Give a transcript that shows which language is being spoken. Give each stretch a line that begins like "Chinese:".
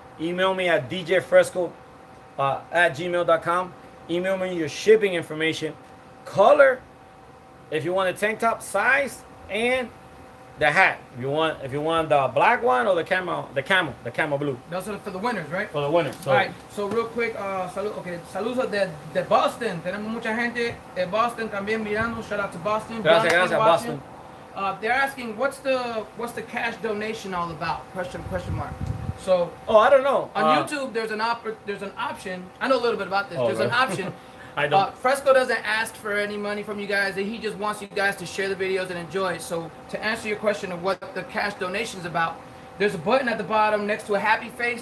English: Email me at djfresco@gmail.com. Email me your shipping information, color, if you want a tank top size, and the hat, if you want the black one or the camo blue. Those are for the winners, right? For the winners. So. All right. So real quick,
Spanish: saludos de Boston. Tenemos mucha gente de Boston también mirando.
English: Shout out to Boston.
Spanish: Gracias, Boston.
English: They're asking what's the cash donation all about? Question mark. So. Oh, I don't know. On YouTube, there's an option. I know a little bit about this. There's an option. I don't. Fresco doesn't ask for any money from you guys. He just wants you guys to share the videos and enjoy it. So to answer your question of what the cash donation is about, there's a button at the bottom next to a happy face.